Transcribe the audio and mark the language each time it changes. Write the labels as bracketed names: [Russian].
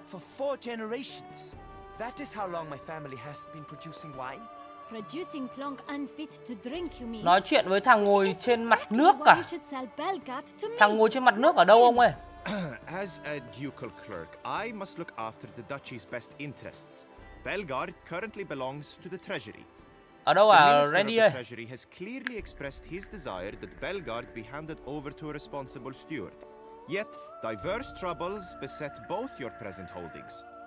[English] For four generations, that is how long my family has been producing wine. Producing plonk unfit to drink, you mean? [Vietnamese] Nói chuyện với thằng ngồi trên mặt nước à? Thằng ngồi trên mặt nước ở đâu ông ơi? [English] As a ducal clerk, I must look after the duchy's best interests. Belgard currently belongs to the treasury. [Vietnamese] Ở đâu à, Randy ơi? [English] The treasury has clearly expressed his desire that Belgard be handed over to a responsible steward. Yet diverse troubles beset both your present holdings.